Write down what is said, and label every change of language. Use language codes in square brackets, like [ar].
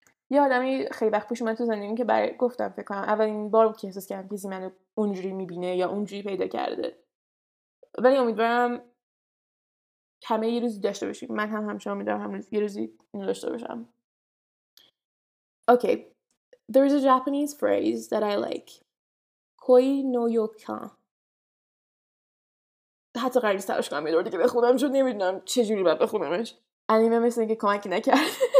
[fa] یه آدمی خیلی وقت پیش من تو زندگی که برای گفتم فکر کنم اولین بار که احساس کردم کسی منو اونجوری میبینه یا اونجوری پیدا کرده. ولی امیدوارم همه یه روزی داشته باشیم. من هم همیشه امیدوارم هم یه روزی اینو داشته باشم. [en] Okay. There is a Japanese phrase that I like. [ja] Koi no yokan. [fa] حتی قرار نیست تلاش کنم یه دور دیگه بخونم چون نمیدونم چجوری باید بخونمش. انیمه مثل اینکه کمک نکرد.